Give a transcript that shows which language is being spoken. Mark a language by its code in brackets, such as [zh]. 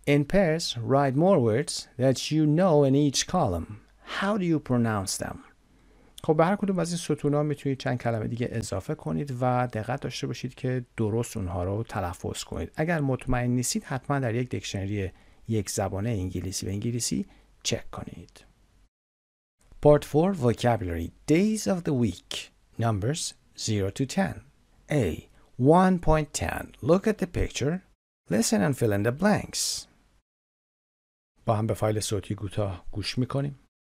[en] In pairs write more words that you know in each column. How do you pronounce them? [fa] خب به هر کدوم از این ستون‌ها میتونید چند کلمه دیگه اضافه کنید و دقت داشته باشید که درست اونها رو تلفظ کنید. اگر مطمئن نیستید حتما در یک دکشنری یک زبانه انگلیسی به انگلیسی چک کنید. [en] Part 4 Vocabulary Days of the Week Numbers 0 to 10 A 1.10 Look at the picture. Listen and fill in the blanks. [fa] با هم به فایل صوتی گوتا گوش میکنیم.